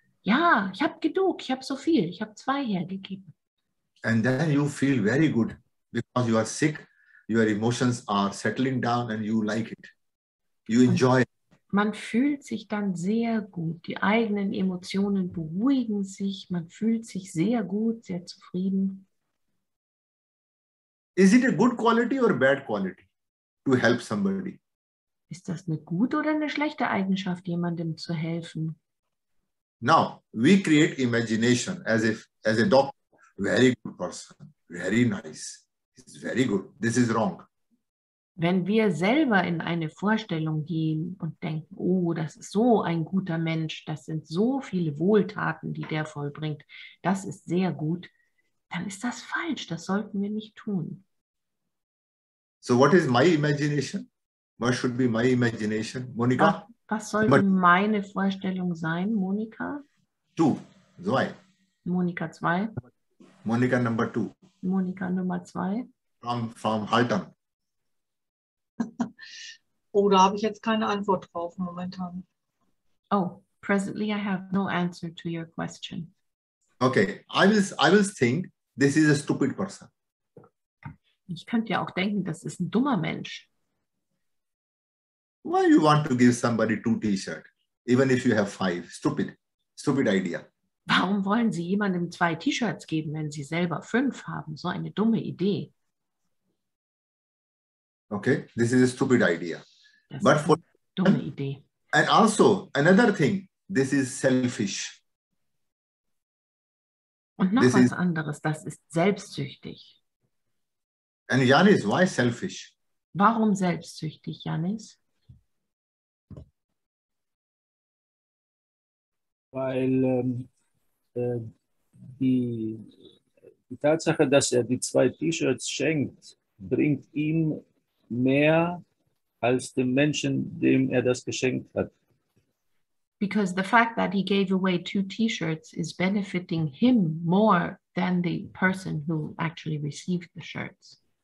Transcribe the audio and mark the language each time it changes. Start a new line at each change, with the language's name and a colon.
German: Ja, ich habe genug, ich habe so viel, ich habe zwei hergegeben.
English: And then you feel very good because you are sick, your emotions are settling down and you like it. You enjoy it.
German: Man fühlt sich dann sehr gut, die eigenen Emotionen beruhigen sich, man fühlt sich sehr gut, sehr zufrieden.
English: Is it a good quality or a bad quality to help somebody?
German: Ist das eine gute oder eine schlechte Eigenschaft, jemandem zu helfen?
English: Now, we create imagination as a doctor, very good person, very nice, it's very good, this is wrong.
German: Wenn wir selber in eine Vorstellung gehen und denken, oh, das ist so ein guter Mensch, das sind so viele Wohltaten, die der vollbringt, das ist sehr gut, dann ist das falsch, das sollten wir nicht tun.
English: So what is my imagination? What should be my imagination, Monika?
German: Was soll meine Vorstellung sein, Monika? Du, zwei. Monika zwei.
English: Monika number two.
German: Monika Nummer zwei.
English: From Haltern.
German: Oh, da habe ich jetzt keine Antwort drauf momentan.
English: Oh, presently I have no answer to your question. Okay, I will think this is a stupid person.
German: Ich könnte ja auch denken, das ist ein dummer Mensch.
English: Why you want to give somebody two T-Shirts, even if you have five? Stupid, stupid idea.
German: Warum wollen Sie jemandem zwei T-Shirts geben, wenn Sie selber fünf haben? So eine dumme Idee.
English: Okay, this is a stupid idea.
German: Das
English: but
German: ist
English: for
German: eine dumme Idee.
English: And also another thing, this is selfish.
German: Und noch
English: this was is,
German: anderes, das ist selbstsüchtig.
English: And Yanis, why selfish?
German: Warum selbstsüchtig, Yanis? Weil die Tatsache, dass er die zwei T-Shirts schenkt, bringt ihm mehr als dem Menschen, dem er das geschenkt hat.
English: Because the fact that he gave away two T-Shirts is benefiting him more than the person who actually received the shirts.